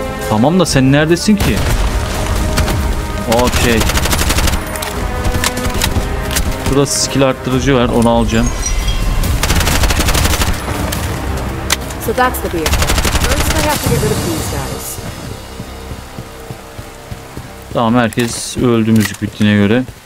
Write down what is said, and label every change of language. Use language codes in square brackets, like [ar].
[tr] Tamam da sen neredesin ki? Okay. Burada skill arttırıcı var, onu alacağım. [en] So that's the beer. First I have to get rid of these guys. [tr] Tamam, herkes öldü müzik bittiğine göre.